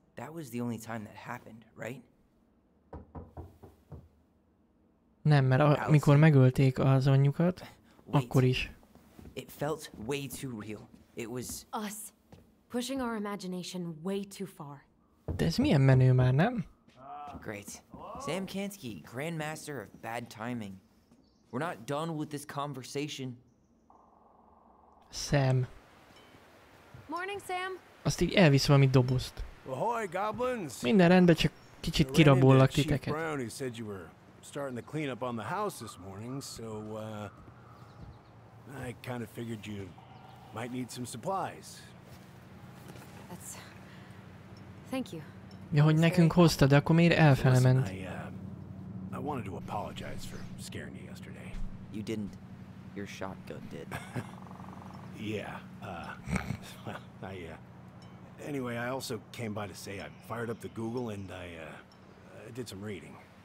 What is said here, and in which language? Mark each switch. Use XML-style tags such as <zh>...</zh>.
<en>That was the only time that happened, right?</en> <hu>Nem, mert amikor megölték az anyjukat, akkor is.</hu> <en>It felt way too real. It was us pushing our imagination way too far.</en> <hu>De ez milyen menő már, nem?</hu> <en>Great. Sam Kansky, grandmaster of bad timing. We're not done with this conversation. Sam. Morning, Sam.</en> <hu>Azt így elvisz valami dobozt.</hu> <en>Ahoy, goblins.</en> <hu>Minden rendben, csak kicsit kirabollak titeket.</hu> <en>Chief Brown, he said you were starting to clean up on the house this morning, so I kind of figured you might need some supplies. That's... Thank you.</en> <hu>Ja, hogy nekünk hozta, de akkor miért elfele ment?</hu> <en>I wanted to apologize for scaring you yesterday. You didn't. Your shotgun did. Yeah, anyway, I also came by to say I fired up the Google and I did some reading.</en>